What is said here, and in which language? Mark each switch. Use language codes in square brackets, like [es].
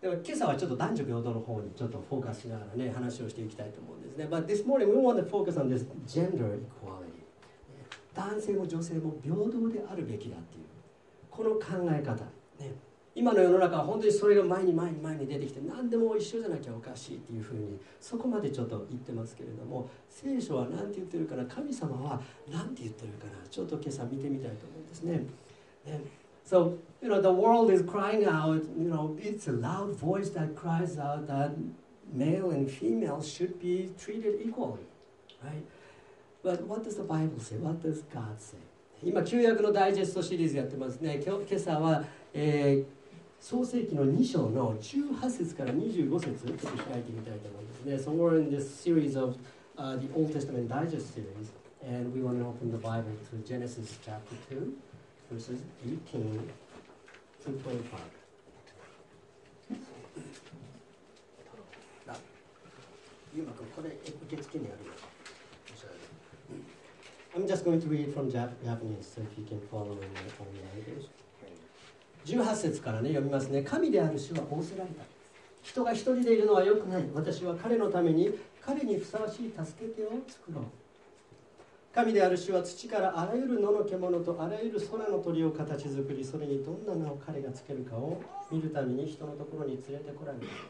[ja] でも今朝はちょっと男女平等の方にちょっとフォーカスしながらね話をしていきたいと思うんですね。 [en] But this morning we want to focus on this gender equality. [ja] 男性も女性も平等であるべきだっていうこの考え方ね。今の世の中は本当にそれが前に前に前に出てきて、何でも一緒じゃなきゃおかしいっていうふうにそこまでちょっと言ってますけれども、聖書は何て言ってるかな、神様は何て言ってるかな、ちょっと今朝見てみたいと思うんですね。 [en] So, you know, the world is crying out, you know, it's a loud voice that cries out that male and female should be treated equally, right? But what does the Bible say? What does God say? [ja] 今旧約のダイジェストシリーズやってますね。今朝は、創世記の2章の18節から25節ちょっと開いてみたいと思うんですね。 [en] So we're in this series of、the Old Testament Digest series, and we want to open the Bible to Genesis chapter 2 verses 18 to 25. [ja] これ受付にあるよ。 [en] I'm just going to read from Japanese, so if you can follow in my own language. [ja] 18節から、ね、読みますね。神である主は仰せられた。人が一人でいるのは良くない。私は彼のために彼にふさわしい助け手を作ろう。神である主は土からあらゆる野の獣とあらゆる空の鳥を形作り、それにどんな名を彼がつけるかを見るために人のところに連れてこられた。